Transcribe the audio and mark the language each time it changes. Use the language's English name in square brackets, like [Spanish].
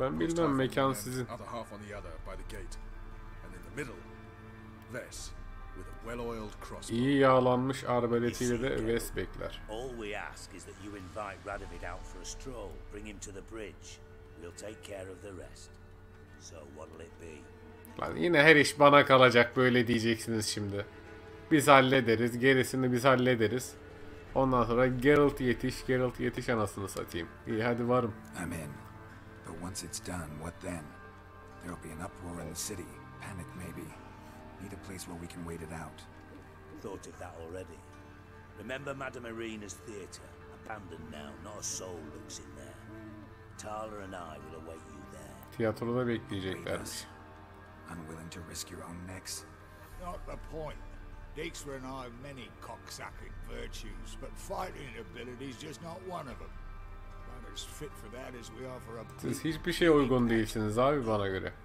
[Turkish] Ben bilmem, mekan sizin. [English] Other half on the other by the gate, and in the middle, this. Well-oiled crossbow. [Turkish] İyi yağlanmış arbaletiyle de Wes bekler. [English] All we ask is that you invite Radovid out for a stroll, bring him to the bridge. We'll take care of the rest. So what'll it be? [Turkish] Lan yine her iş bana kalacak böyle diyeceksiniz şimdi. Biz hallederiz, gerisini biz hallederiz. Ondan sonra Geralt yetiş, Geralt yetiş anasını satayım. İyi hadi varım. [English] I'm in. But once it's done, what then? There'll be an uproar in the city. Panic maybe. Need a place where we can wait it out. Thought of that already. Remember Madame Irina's theater, abandoned now. Not a soul looks in there. Tala and I will await you there. [Turkish] Tiyatroda bekleyecekler. [English] Unwilling to risk your own necks. Not the point. Dijkstra and I have many cocksucking virtues, but fighting ability is just not one of them. Not a as fit for that as we are for a. [Turkish] Siz hiçbir şey uygun değilsiniz abi bana göre.